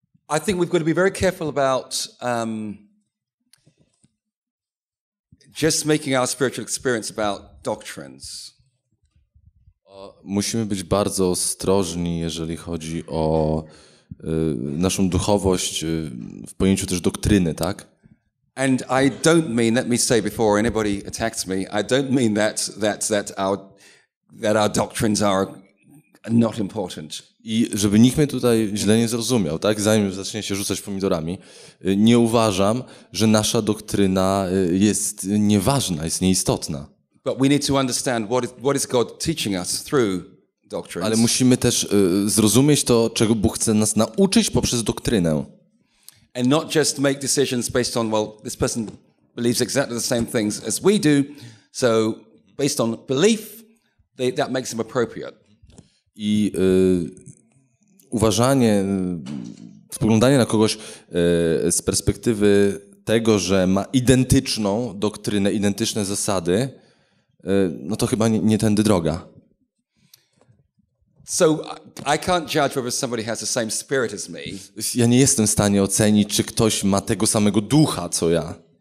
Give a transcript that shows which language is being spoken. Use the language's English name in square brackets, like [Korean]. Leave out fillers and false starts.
[English] I think we've got to be very careful about just making our spiritual experience about doctrines. [Polish] Musimy być bardzo ostrożni, jeżeli chodzi o naszą duchowość w pojęciu też doktryny, tak? [English] And I don't mean, let me say before anybody attacks me, I don't mean that our doctrines are not important. [Polish] I żeby nikt mnie tutaj źle nie zrozumiał, tak? Zanim zacznie się rzucać pomidorami, nie uważam, że nasza doktryna jest nieważna, jest nieistotna. [English] But we need to understand what is God teaching us through doctrines. [Polish] Ale musimy też zrozumieć to, czego Bóg chce nas nauczyć poprzez doktrynę. [English] And not just make decisions based on, well, this person believes exactly the same things as we do, so based on belief, that makes him appropriate. [Polish] I uważanie, spoglądanie na kogoś z perspektywy tego, że ma identyczną doktrynę, identyczne zasady, no to chyba nie tędy droga. [English] So I can't judge whether somebody has the same spirit as me. [Polish] Ja nie jestem w stanie ocenić, czy ktoś ma tego samego ducha, co ja.